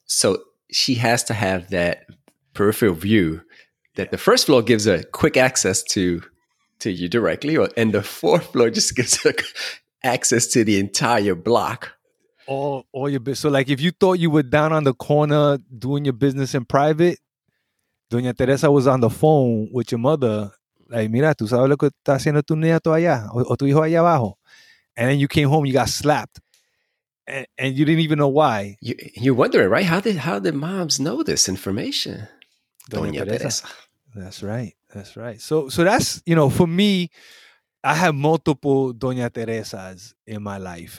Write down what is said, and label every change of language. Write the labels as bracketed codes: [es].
[en] So she has to have that peripheral view that the first floor gives a quick access to you directly, or and the fourth floor just gives access to the entire block. All your business. So like if you thought you were down on the corner doing your business in private, Doña Teresa was on the phone with your mother. [es] Like, mira, tú sabes lo que está haciendo tu nieto allá o tu hijo allá abajo. [en] And then you came home, you got slapped. And you didn't even know why. You're wondering, right? How did moms know this information? Doña Teresa. That's right. That's right. So that's, you know, for me, I have multiple Doña Teresas in my life.